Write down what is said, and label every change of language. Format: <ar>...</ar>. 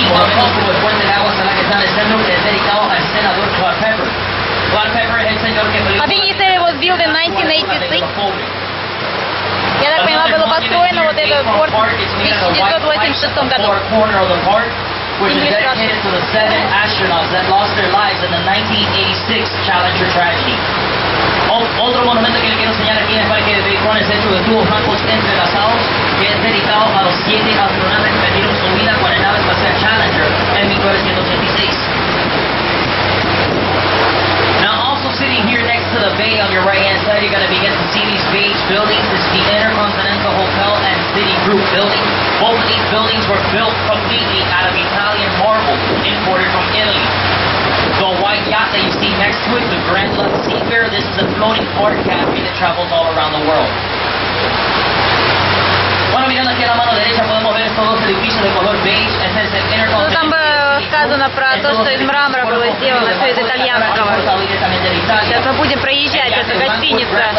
<en>I think he said it was built in 1986. Yeah, that came up with the bus the port. Which is dedicated to the 7 astronauts that lost their lives in the 1986 Challenger tragedy.</en> <es>Otro monumento que le quiero enseñar aquí en el parque de Bacon es hecho de tubos blancos entrelazados, que es dedicado a los 7 astronautas que perdieron su vida con la nave espacial Challenger en 1986.</es> <en>Now, also sitting here next to the bay on your right hand side, you're going to begin to see these beige buildings. This is the Intercontinental Hotel and City Group building. Both of these buildings were built completely out of Italian marble imported from Italy. The white yacht that you see next to it, the Grand Lux Seafarer, this is a floating port cafe that travels all around the world.</en> <es>Bueno, mirando aquí a la mano derecha, podemos ver todos los edificios de color beige. Este es el Intercontinental.</es> <ru>Сказано про то, что из мрамора было сделано, все из итальянского. Сейчас мы будем проезжать, это гостиница.</ru>